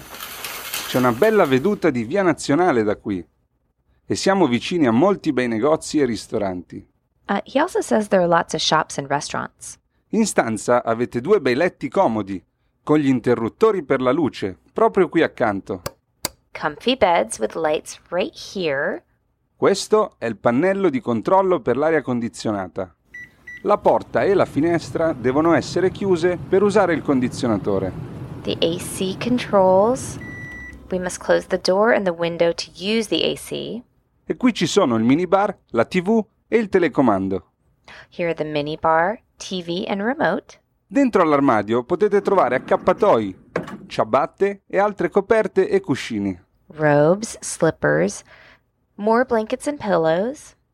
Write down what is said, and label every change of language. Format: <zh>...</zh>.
<it>C'è una bella veduta di Via Nazionale da qui. E siamo vicini a molti bei negozi e ristoranti.</it> <en>He also says there are lots of shops and restaurants.</en> <it>In stanza avete due bei letti comodi, con gli interruttori per la luce, proprio qui accanto.</it> <en>Comfy beds with lights right here.</en> <it>Questo è il pannello di controllo per l'aria condizionata. La porta e la finestra devono essere chiuse per usare il condizionatore.</it> <en>The AC controls. We must close the door and the window to use the AC.</en> <it>E qui ci sono il minibar, la TV e il telecomando.</it> <en>Here are the minibar, TV and remote.</en> <it>Dentro all'armadio potete trovare accappatoi, ciabatte e altre coperte e cuscini.</it> <en>Robes, slippers, more blankets and pillows.</en>